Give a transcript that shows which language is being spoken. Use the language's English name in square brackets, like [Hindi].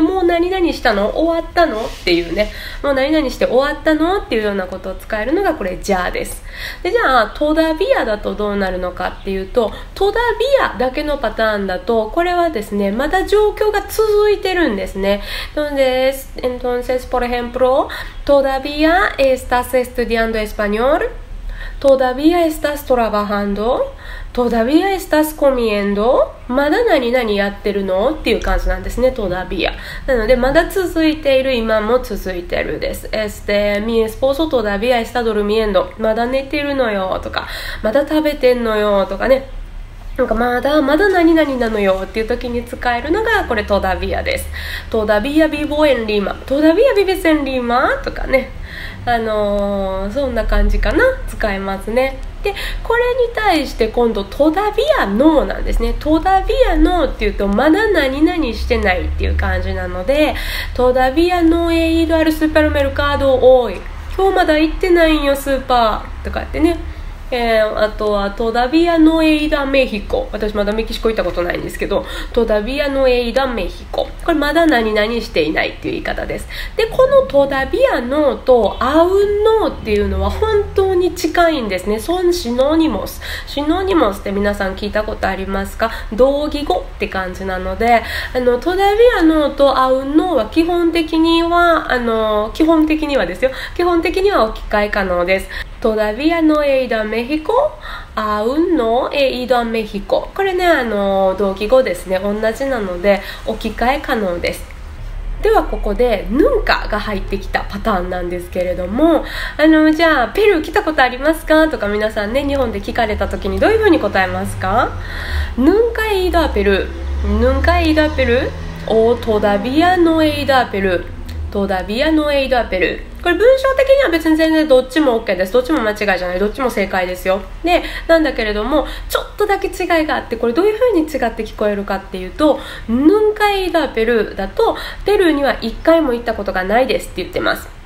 [Japanese] もう何々したの、終わったのっていうね、もう何々して終わったのっていうようなことを使えるのがこれじゃあです。で、じゃあトダビアだとどうなるのかっていうと、トダビアだけのパターンだとこれはですね、まだ状況が続いてるんですね。なので、 [Spanish] entonces por ejemplo todavía estás estudiando españolTodavía estás trabajando? Todavía estás comiendo? [Japanese] まだ何々やってるのっていう感じなんですね、 Todavía。なのでまだ続いている、今も続いてるです。 [Spanish] Este, mi esposo todavía está durmiendo? [Japanese] まだ寝てるのよとか、まだ食べてんのよとかね、なんかまだ何々なのよっていう時に使えるのがこれ Todavía です。 [Spanish] Todavía vivo en Lima? Todavía vives en Lima? [Japanese] とかね、そんな感じかな、使えますね。で、これに対して今度トダビアノーなんですね。トダビアノーっていうとまだ何々してないっていう感じなので、トダビアノーエイドアルスーパーメルカード多い、今日まだ行ってないんよスーパーとかってね、あとはトダビアノーエイドアメヒコ、私まだメキシコ行ったことないんですけど、トダビアノーエイドアメヒコ、これまだ何々していないっていう言い方です。で、このトダビアノーとアウンノーっていうのは本当に近いんですね。そのシノニモス、シノニモスって皆さん聞いたことありますか？同義語って感じなので、トダビアノーとアウンノーは基本的には、基本的にはですよ、基本的には置き換え可能です。 [Spanish] Todavía no he ido a México? Aún no he ido a México? [Japanese] これね、同義語ですね。同じなので置き換え可能です。ではここで Nunca が入ってきたパターンなんですけれども、じゃあペルー来たことありますか？とか皆さんね、日本で聞かれた時にどういう風に答えますか？ [Spanish] Nunca he ido a Perú? Nunca he ido a Perú? O todavía no he ido a Perú? Todavía no he ido a Perú。 [Japanese] これ文章的には別に全然どっちも OK です。どっちも間違いじゃない、どっちも正解ですよ。で、なんだけれどもちょっとだけ違いがあって、これどういう風に違って聞こえるかっていうと、 [Spanish] Nunca he ido a Perú [Japanese] だとペルーには1回も行ったことがないですって言ってます。